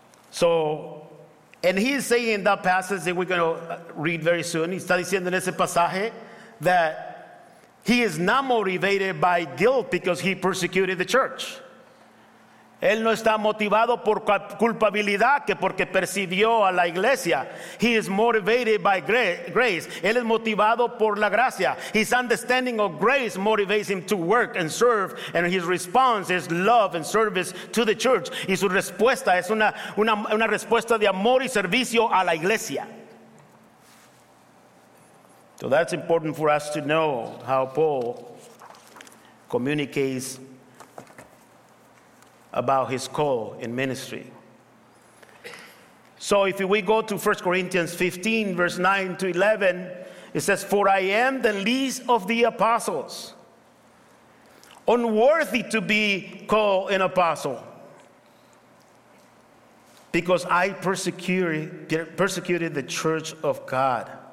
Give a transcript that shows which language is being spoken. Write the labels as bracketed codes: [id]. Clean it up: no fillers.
[en] So, and he is saying in that passage that we're going to read very soon, [es] he está diciendo en ese pasaje [en] that he is not motivated by guilt because he persecuted the church. [es] Él no está motivado por culpabilidad que porque persiguió a la iglesia. [en] He is motivated by grace. [es] Él es motivado por la gracia. [en] His understanding of grace motivates him to work and serve. And his response is love and service to the church. [es] Y su respuesta es una respuesta de amor y servicio a la iglesia. [en] So that's important for us to know how Paul communicates about his call in ministry. So if we go to 1 Corinthians 15, verse 9 to 11, it says, "For I am the least of the apostles, unworthy to be called an apostle, because I persecuted the church of God.